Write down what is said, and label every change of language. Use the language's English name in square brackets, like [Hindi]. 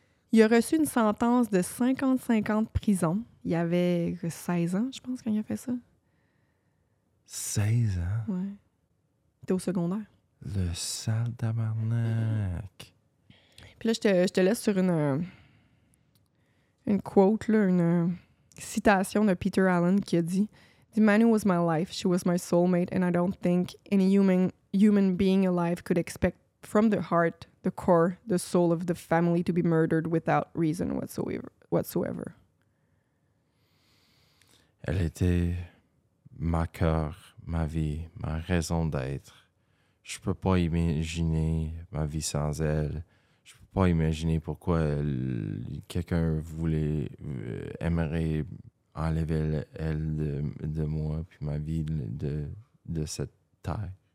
[French] Il a reçu une sentence de 55 ans de prison. Il avait 16 ans, je pense, quand il a fait ça. 16 ans? Ouais. Il était au secondaire. Le sale tabarnak. Puis là, je te laisse sur une quote, là, une... citation de Peter Allen qui a dit [English] « The man who was my life, she was my soulmate and I don't think any human being alive could expect from the heart, the core, the soul of the family to be murdered without reason whatsoever. » [French] Elle était ma cœur, ma vie, ma raison d'être. Je peux pas imaginer ma vie sans elle. Pas imaginer pourquoi quelqu'un aimerait enlever elle de moi puis ma vie de cette terre.